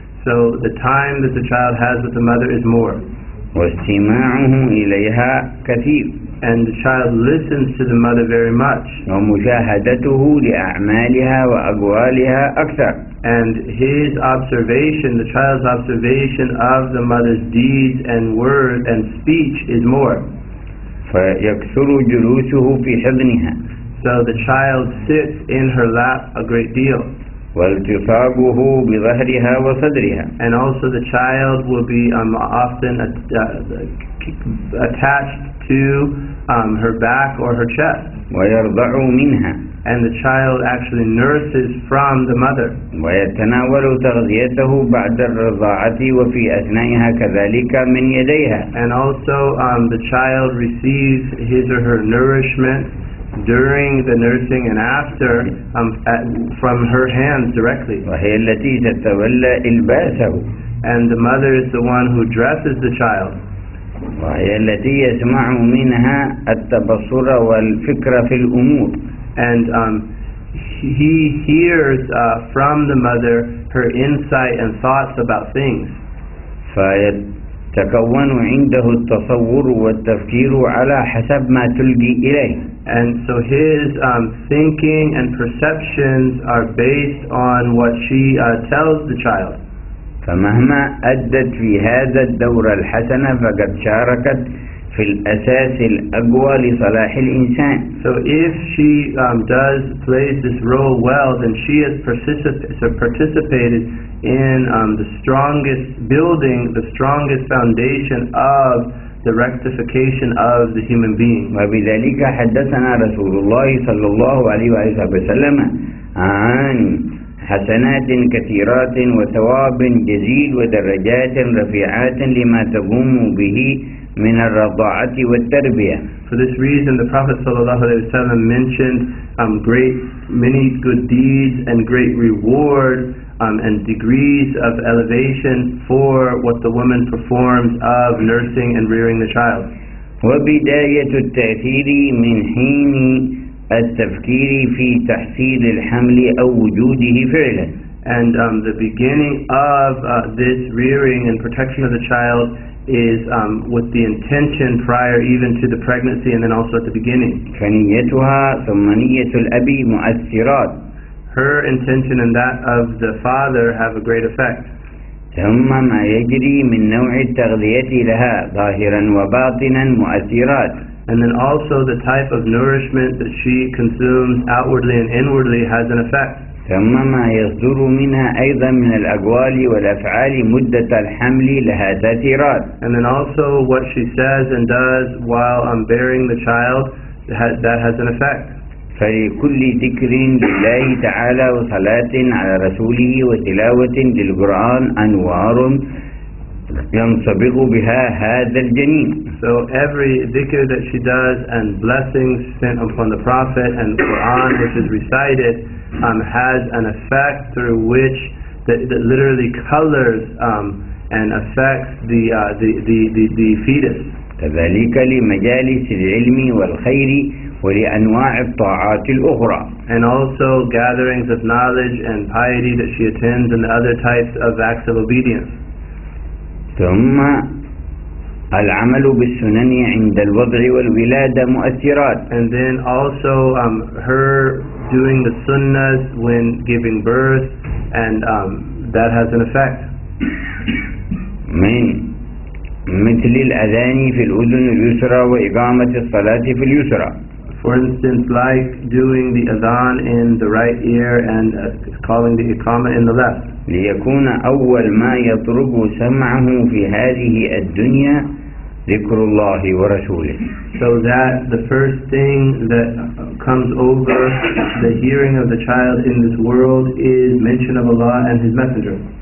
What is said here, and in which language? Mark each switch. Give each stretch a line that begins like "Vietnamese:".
English: So the time that the child has with the mother is more.
Arabic: واستماعه إليها كثير.
English: And the child listens to the mother very much.
Arabic: ومشاهدته لأعمالها وأقوالها أكثر.
English: And his observation, the child's observation of the mother's deeds and word and speech is more.
Arabic: فيكثر جلوسه في حضنها.
English: So the child sits in her lap a great deal.
Arabic: والتصاقه بظهرها وصدرها.
English: And also the child will be often attached to her back or her chest.
Arabic: ويرضع منها.
English: And the child actually nurses from the mother.
Arabic: ويتناول تغذيته بعد الرضاعة وفي أثنائها كذلك من يديها.
English: And also the child receives his or her nourishment during the nursing and after from her hands directly.
Arabic: وهي التي تتولى إلباسه.
English: And the mother is the one who dresses the child.
Arabic: وهي التي يسمع منها التبصر والفكر في الأمور.
English: And he hears from the mother her insight and thoughts about things.
Arabic: فيتكون عنده التصور والتفكير على حسب ما تلقي إليه.
English: And so his thinking and perceptions are based on what she tells the child.
Arabic: فمهما أدت في هذا الدور الحسن فقد شاركت في الأساس الأقوى لصلاح الإنسان.
English: So if she does plays this role well, then she has participated in the strongest building, the strongest foundation of the rectification of the human being.
Arabic: وبذلك حدثنا رسول الله صلى الله عليه وسلم عن حسنات كثيرات وثواب جزيل ودرجات رفيعات لما تقوم به من الرضاعة والتربية.
English: For this reason, the Prophet صلى الله عليه وسلم mentioned great, many good deeds and great reward and degrees of elevation for what the woman performs of nursing and rearing the child.
Arabic: وبداية التأثير من حين التفكير في تحصيل الحمل أو وجوده فعلا.
English: And the beginning of this rearing and protection of the child is with the intention prior even to the pregnancy and then also at the beginning.
Arabic: فنيتها ثم نية الأب مؤثرات.
English: Her intention and that of the father have a great effect.
Arabic: ثم ما يجري من نوع التغذية لها ظاهرا وباطنا مؤثرات.
English: And then also the type of nourishment that she consumes outwardly and inwardly has an effect.
Arabic: ثم ما يصدر منها أيضا من الأقوال والأفعال مدة الحمل لها تأثيرات.
English: And then also what she says and does while I'm bearing the child, that has an effect.
Arabic: فلكل ذكر لله تعالى وصلاة على رسوله وتلاوة للقرآن أنوار ينصبغ بها هذا الجنين.
English: So every dhikr that she does and blessings sent upon the Prophet and Quran which is recited has an effect through which that literally colors and affects the fetus.
Arabic: كذلك لمجالس العلم والخير ولأنواع الطاعات الأخرى.
English: And also gatherings of knowledge and piety that she attends and the other types of acts of obedience.
Arabic: ثم العمل بالسنن عند الوضع والولادة مؤثرات.
English: And then also her doing the sunnahs when giving birth and that has an effect.
Arabic: من مثل الأذان في الأذن اليسرى وإقامة الصلاة في اليسرى.
English: For instance, like doing the adhan in the right ear and calling the iqama in the left.
Arabic: ليكون أول ما يطرب سمعه في هذه الدنيا ذكر الله ورسوله.
English: So that the first thing that comes over the hearing of the child in this world is mention of Allah and His Messenger.